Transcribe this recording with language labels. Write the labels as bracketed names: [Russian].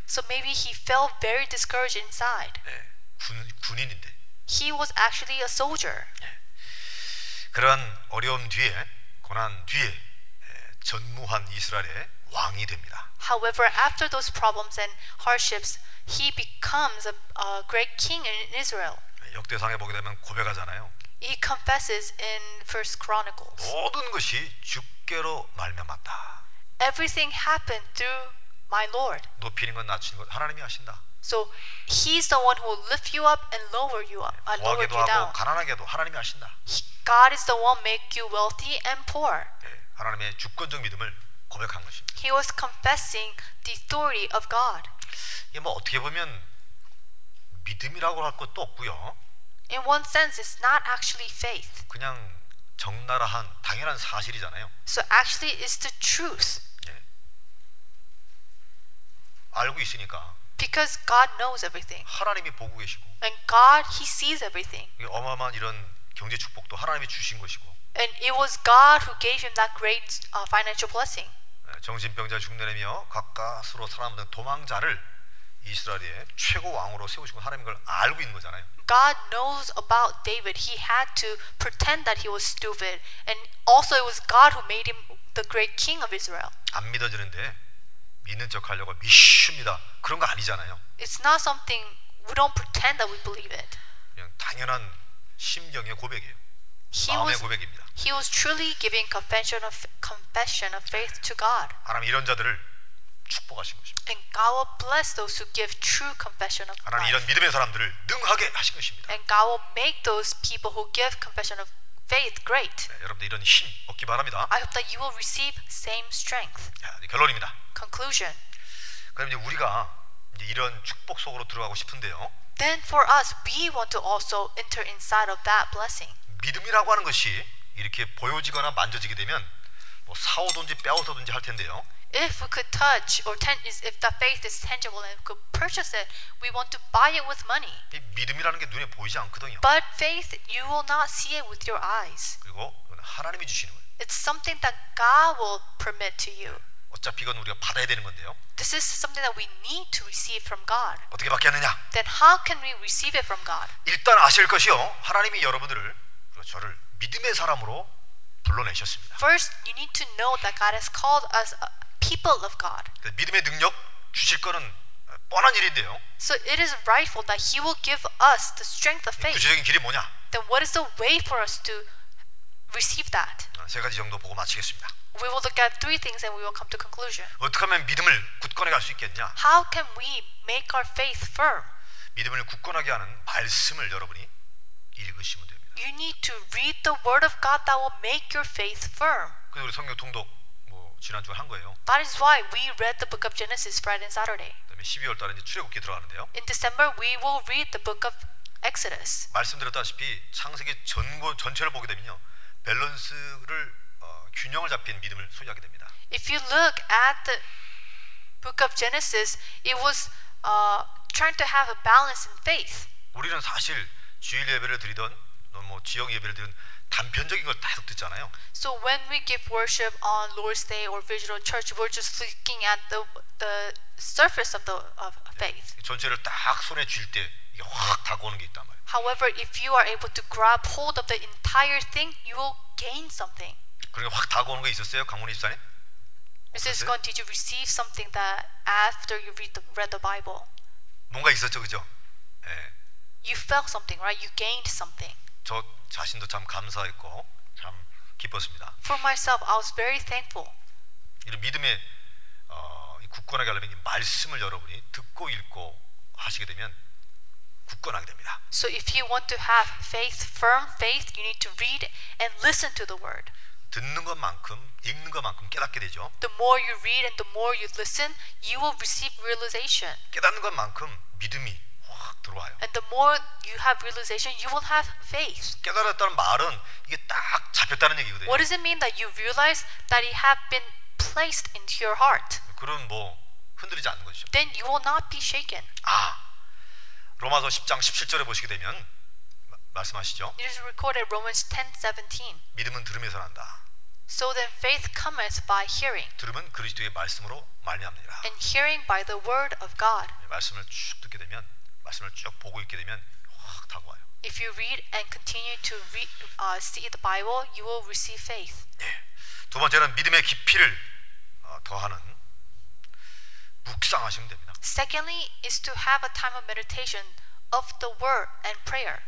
[English] So maybe he felt very discouraged inside. [Korean] 예, 군인인데. [English] He was actually a soldier. [Korean] 예, 그런 어려움 뒤에, 고난 뒤에 예, 전무한 이스라엘의 왕이 됩니다. [English] However, after those problems and hardships, he becomes a great king in Israel. [Korean] 예, 역대상에 보게 되면 고백하잖아요. [English] He confesses in First Chronicles. [Korean] 모든 것이 주께로 말미암았다. [English] Everything happened through my Lord. [Korean] 높이는 건 낮추는 건 하나님이 하신다. [English] So He's the one who will lift you up and lower you up. [Korean] 부하게도 하고 가난하게도 하나님이 하신다. [English] God is the one make you wealthy and poor. [Korean] 하나님의 주권적 믿음을 고백한 것입니다. [English] He was confessing the authority of God. [Korean] 이게 뭐 어떻게 보면 믿음이라고 할 것도 없고요. [English] In one sense, it's not actually faith. [Korean] 그냥 적나라한 당연한 사실이잖아요. [English] So actually, it's the truth. [Korean] 예. 알고 있으니까. [English] Because God knows everything. [Korean] 하나님이 보고 계시고. [English] And God, He sees everything. [Korean] 어마어마한 이런 경제 축복도 하나님이 주신 것이고. [English] And it was God who gave him that great financial blessing. [Korean] 정신병자 중내내며 가까스로 사람들 도망자를 이스라엘의 최고 왕으로 세우시고 하나님 걸 알고 있는 거잖아요. [English] God knows about David. He had to pretend that he was stupid, and also it was God who made him the great king of Israel. [Korean] 안 믿어지는데 믿는 척 하려고 믿습니다. 그런 거 아니잖아요. [English] It's not something we don't pretend that we believe it. [Korean] 그냥 당연한 심경의 고백이에요. 마음의 고백입니다. [English] He was truly giving confession of faith to God. [Korean] 하나님 이런 자들을 축복하신 것입니다. [English] And God will bless those who give true confession of faith. [Korean] 하나님 이런 믿음의 사람들을 능하게 하신 것입니다. [English] And God will make those people who give confession of faith great. [Korean] 네, 여러분들 이런 힘 얻기 바랍니다. [English] I hope that you will receive same strength. [Korean] 네, 결론입니다. [English] Conclusion. [Korean] 그럼 이제 우리가 이제 이런 축복 속으로 들어가고 싶은데요. [English] Then for us, we want to also enter inside of that blessing. [Korean] 믿음이라고 하는 것이 이렇게 보여지거나 만져지게 되면 뭐 사오든지 빼오든지 할 텐데요. [English] If we could touch or if the faith is tangible and we could purchase it, we want to buy it with money. [Korean] 이 믿음이라는 게 눈에 보이지 않거든요. [English] But faith, you will not see it with your eyes. [Korean] 그리고 하나님이 주시는 거예요. [English] It's something that God will permit to you. [Korean] 어차피 이건 우리가 받아야 되는 건데요. [English] This is something that we need to receive from God. [Korean] 어떻게 받겠느냐? [English] Then how can we receive it from God? [Korean] 일단 아실 것이요, 하나님이 여러분들을 저를 믿음의 사람으로 불러내셨습니다. [English] First, you need to know that God has called us a people of God. [Korean] 그 믿음의 능력 주실 거는 뻔한 일인데요. [English] So it is rightful that He will give us the strength of faith. [Korean] 구체적인 길이 뭐냐? [English] Then what is the way for us to receive that? [Korean] 세 가지 정도 보고 마치겠습니다. [English] We will look at three things and we will come to conclusion. [Korean] 어떻게 하면 믿음을 굳건히 갈 수 있겠냐? [English] How can we make our faith firm? [Korean] 믿음을 굳건하게 하는 말씀을 여러분이 읽으시면 됩니다. [English] You need to read the word of God that will make your faith firm. [Korean] 그래서 우리 성경 통독 뭐 지난주 한 거예요. [English] That is why we read the book of Genesis Friday and Saturday. [Korean] 그다음에 12월 달에 이제 출애굽기 들어가는데요. [English] In December we will read the book of Exodus. [Korean] 말씀드렸다시피 창세기 전체를 보게 되면요. 밸런스를 균형을 잡힌 믿음을 소유하게 됩니다. [English] If you look at the book of Genesis, it was trying to have a balance in faith. [Korean] 우리는 사실 주일 예배를 드리던 뭐 지역 예배를 드는 단편적인 걸 계속 듣잖아요. [English] So when we give worship on Lord's Day or visual church, we're just looking at the surface of the of faith. [Korean] 네, 전체를 딱 손에 쥘 때 이게 확 다가오는 게 있단 말이에요. [English] However, if you are able to grab hold of the entire thing, you will gain something. [Korean] 그런 게 확 다가오는 게 있었어요, 강문희 집사님? [English] Mrs. Gun, did you receive something that after you read the Bible? [Korean] 뭔가 있었죠, 그죠? 예. 네. [English] You felt something, right? You gained something. [Korean] 저 자신도 참 감사했고 참 기뻤습니다. [English] For myself, I was very thankful. [Korean] 이런 믿음의 굳건하게 하려면 이 말씀을 여러분이 듣고 읽고 하시게 되면 굳건하게 됩니다. [English] So if you want to have faith, firm faith, you need to read and listen to the word. [Korean] 듣는 것만큼 읽는 것만큼 깨닫게 되죠. [English] The more you read and the more you listen, you will receive realization. [Korean] 깨닫는 것만큼 믿음이 확 들어와요. [English] And the more you have realization, you will have faith. [Korean] 깨달았다는 말은 이게 딱 잡혔다는 얘기거든요. [English] What does it mean that you realize that it have been placed into your heart? [Korean] 그럼 뭐 흔들리지 않는 거죠. [English] Then you will not be shaken. [Korean] 아, 로마서 10장 17절에 보시게 되면 말씀하시죠. [English] It is recorded Romans 10:17. [Korean] 믿음은 들음에서 난다. [English] So then faith cometh by hearing. [Korean] 들음은 그리스도의 말씀으로 말미암느니라. [English] And hearing by the word of God. [Korean] 말씀을 쭉 듣게 되면 말씀을 쭉 보고 있게 되면 확 다가와요. [English] If you read and continue to read, see the Bible, you will receive faith. [Korean] 네. 두 번째는 믿음의 깊이를 더하는 묵상하시면 됩니다. [English] Secondly, is to have a time of meditation of the word and prayer.